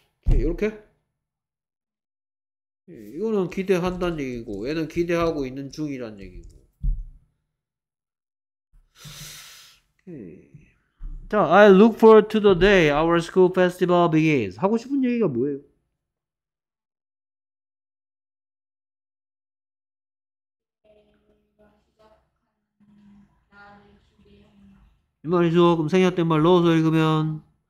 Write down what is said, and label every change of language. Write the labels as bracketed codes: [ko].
[ko] 이렇게? 이거는 기대한다는 얘기고, 얘는 기대하고 있는 중이란 얘기고. [en] 자, I look forward to the day our school festival begins. [ko] 하고 싶은 얘기가 뭐예요? 이 말이죠. 그럼 생략된 말 넣어서 읽으면.